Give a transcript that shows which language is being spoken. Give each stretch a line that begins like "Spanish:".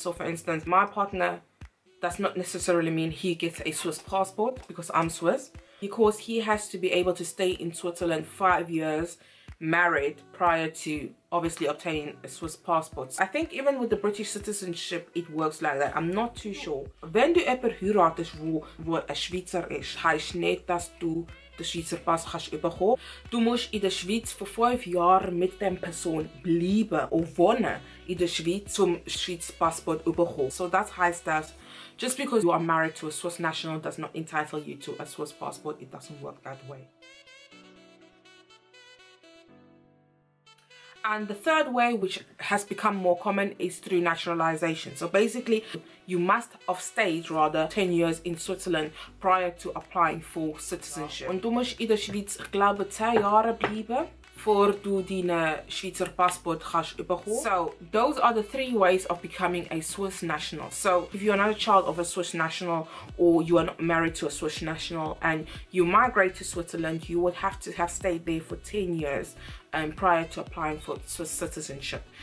English: So for instance, my partner does not necessarily mean he gets a Swiss passport because I'm Swiss, because he has to be able to stay in Switzerland 5 years married prior to obviously obtaining a Swiss passport. I think even with the British citizenship it works like that. I'm not too sure.
German: Wenn du jemand heiratest, wo ein Schweizer ist, heißt nicht, dass du den Schweizer Pass kannst überkommen. Du musst in der Schweiz für 5 Jahre mit der Person bleiben und wohnen in der Schweiz zum Schweizer Passport überkommen. So das heißt, dass
English: just because you are married to a Swiss national does not entitle you to a Swiss passport. It doesn't work that way. And the third way, which has become more common, is through naturalization. So basically, you must have stayed rather 10 years in Switzerland prior to applying for citizenship.
German: Und du musst in der Schweiz, ich glaube, 10 Jahre bleiben, bevor du deinen Schweizer Passport kannst überholen.
English: So those are the three ways of becoming a Swiss national. So if you're not a child of a Swiss national, or you are not married to a Swiss national and you migrate to Switzerland, you would have to have stayed there for 10 years prior to applying for Swiss citizenship.